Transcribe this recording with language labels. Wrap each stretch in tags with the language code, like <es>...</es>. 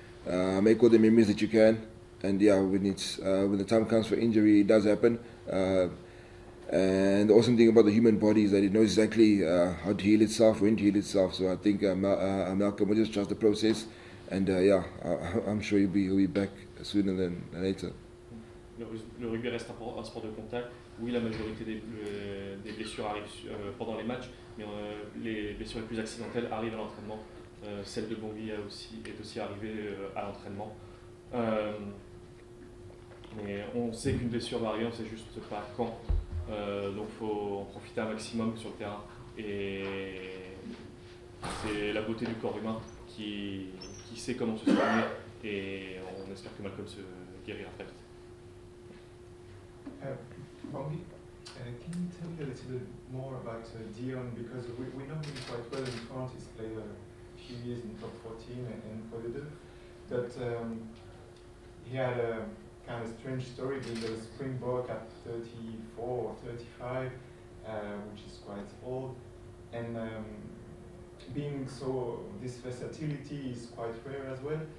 <en>Make all the memories that you can, and yeah, when the time comes for injury, it does happen. And the awesome thing about the human body is that it knows exactly how to heal itself, when to heal itself. So I think Malcolm will just trust the process, and I'm sure he'll be back sooner than later.</en> <fr>Le rugby reste un sport de contact. Oui, la majorité des blessures arrivent pendant les matchs, mais les blessures les plus accidentelles arrivent à l'entraînement. Celle de Bongui est aussi arrivée à l'entraînement. Mais on sait qu'une blessure va arriver, on ne sait juste pas quand. Donc il faut en profiter un maximum sur le terrain. Et c'est la beauté du corps humain qui sait comment se soigner. Et on espère que Malcolm se guérira très vite.</fr> <en>Bongui, can you tell me a little bit more about Dion? Because we know him quite well in front, his player. Few years in top 14 and for the Duke, but he had a kind of strange story being a Springbok at 34 or 35, which is quite old, and being so, this versatility is quite rare as well.</en>